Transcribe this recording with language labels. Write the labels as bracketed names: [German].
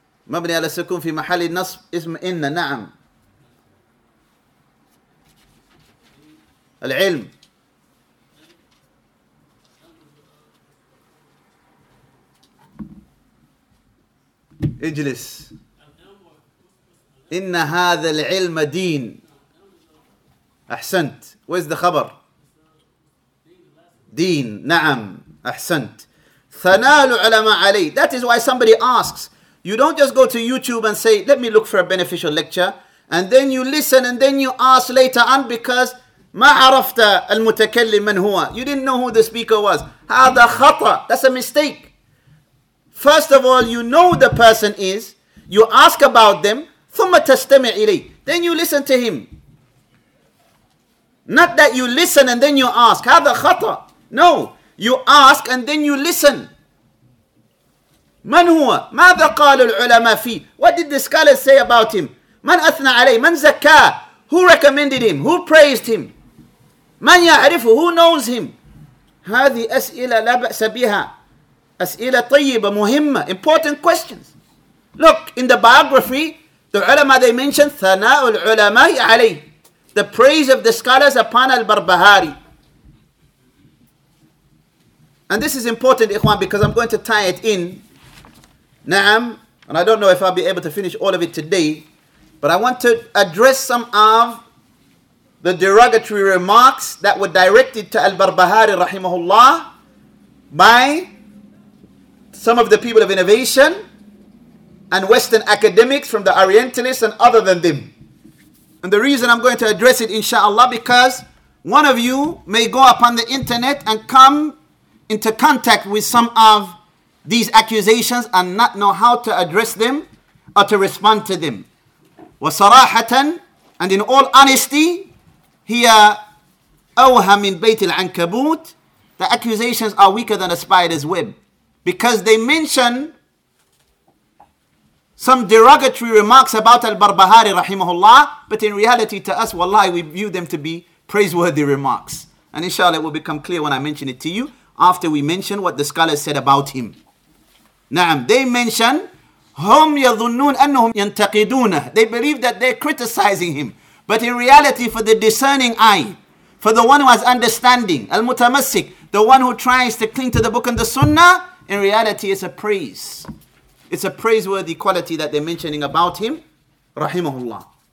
[Arabic] مبني على السكون في محل النصب اسم إن نعم العلم اجلس إن هذا العلم دين أحسنت وين الخبر دين نعم أحسنت ثنال علماء علي. [English] That is why somebody asks. You don't just go to YouTube and say, let me look for a beneficial lecture. And then you listen and then you ask later on because [Arabic] ما عرفت المتكلم من هو. [English] You didn't know who the speaker was. [Arabic] هذا خطأ. [English] That's a mistake. First of all, you know who the person is. You ask about them. [Arabic] ثم تستمع إليه. [English] Then you listen to him. Not that you listen and then you ask. [Arabic] هذا خطأ. [English] No. You ask and then you listen. [Arabic] من هو؟ ماذا قال العلماء فيه؟ [English] What did the scholars say about him؟ [Arabic] من أثنى عليه؟ من زكاه؟ [English] Who recommended him؟ Who praised him؟ [Arabic] من يعرفه؟ [English] Who knows him؟ [Arabic] هذه أسئلة لا بأس بها. أسئلة طيبة مهمة. [English] Important questions. Look, in the biography, the علماء they mentioned [Arabic] ثناء العلماء عليه. [English] The praise of the scholars upon al-Barbahari. And this is important, Ikhwan, because I'm going to tie it in. Naam, and I don't know if I'll be able to finish all of it today, but I want to address some of the derogatory remarks that were directed to Al-Barbahari rahimahullah by some of the people of innovation and Western academics from the Orientalists and other than them. And the reason I'm going to address it inshallah because one of you may go upon the internet and come into contact with some of these accusations and not know how to address them or to respond to them. [Arabic] وصراحة, [English] and in all honesty, [Arabic] هي أوهى من بيت العنكبوت. [English] The accusations are weaker than a spider's web. Because they mention some derogatory remarks about Al-Barbahari rahimahullah, but in reality to us, wallahi, we view them to be praiseworthy remarks. And inshallah, it will become clear when I mention it to you after we mention what the scholars said about him. [Arabic] نعم, [English] they mention [Arabic] هم يظنون أنهم ينتقدونه. [English] They believe that they're criticizing him. But in reality, for the discerning eye, for the one who has understanding, المتمسك, the one who tries to cling to the book and the sunnah, in reality, it's a praise. It's a praiseworthy quality that they're mentioning about him, rahimahullah.